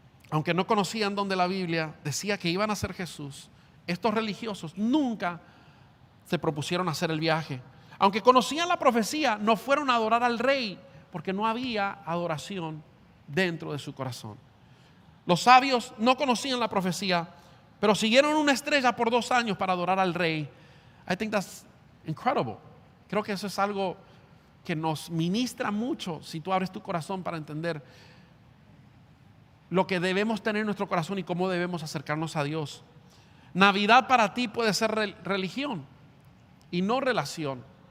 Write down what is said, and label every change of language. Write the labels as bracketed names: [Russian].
[Spanish] Aunque no conocían dónde la Biblia decía que iban a ser Jesús, estos religiosos nunca se propusieron hacer el viaje. Aunque conocían la profecía, no fueron a adorar al rey, porque no había adoración dentro de su corazón. Los sabios no conocían la profecía, pero siguieron una estrella por 2 años para adorar al rey. [English] I think that's incredible. [Spanish] Creo que eso es algo que nos ministra mucho si tú abres tu corazón para entender lo que debemos tener en nuestro corazón y cómo debemos acercarnos a Dios. Navidad para ti puede ser religión y no relación.